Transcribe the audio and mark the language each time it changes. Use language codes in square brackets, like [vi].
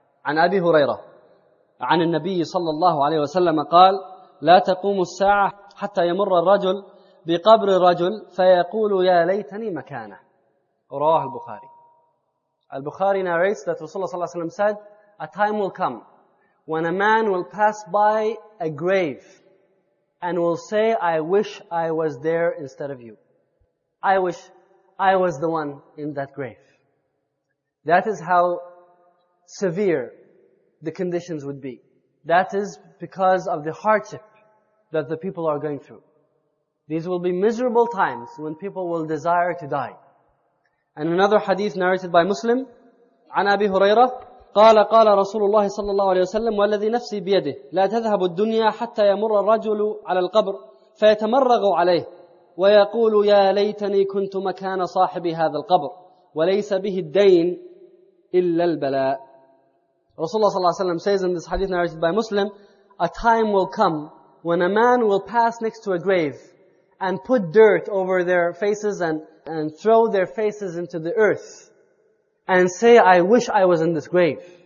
[ar] عن أبي هريرة عن النبي صلى الله عليه وسلم قال لا تقوم الساعة حتى يمر الرجل بقبر الرجل فيقول يا ليتني مكانه. رواه البخاري. [en] Al-Bukhari narrates that Rasulullah ﷺ said, a time will come when a man will pass by a grave and will say, I wish I was there instead of you. I wish I was the one in that grave. That is how severe the conditions would be. That is because of the hardship that the people are going through. These will be miserable times when people will desire to die. And another hadith narrated by Muslim, [ar] عن أبي هريرة قال قال رسول الله صلى الله عليه وسلم والذي نفسي بيده لا تذهب الدنيا حتى يمر الرجل على القبر فيتمرغ عليه ويقول يا ليتني كنت مكان صاحب هذا القبر وليس به الدين إلا البلاء. رسول الله صلى الله عليه وسلم [en] says in this hadith narrated by Muslim, a time will come when a man will pass next to a grave and put dirt over their faces and throw their faces into the earth and say, I wish I was in this grave.